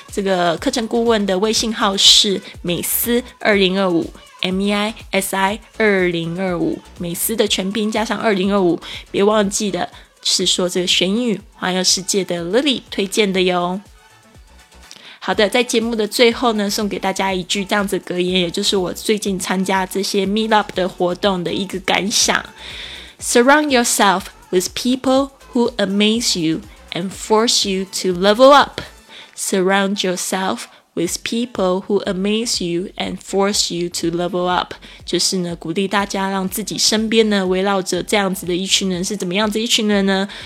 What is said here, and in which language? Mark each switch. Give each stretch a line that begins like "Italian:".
Chinese: 这个课程顾问的微信号是美思2025 MEISI 2025，美思的全拼加上2025，别忘记的是说这个学英语环游世界的 Lily 推荐的哟。好的，在节目的最后呢，送给大家一句这样子格言，也就是我最近参加这些 Meetup 的活动的一个感想。
English: Surround yourself with people who amaze you and force you to level up. Surround yourself with people who amaze you and force you to level up.
Chinese: 就是呢，鼓励大家让自己身边呢围绕着这样子的一群人，是怎么样子一群人呢？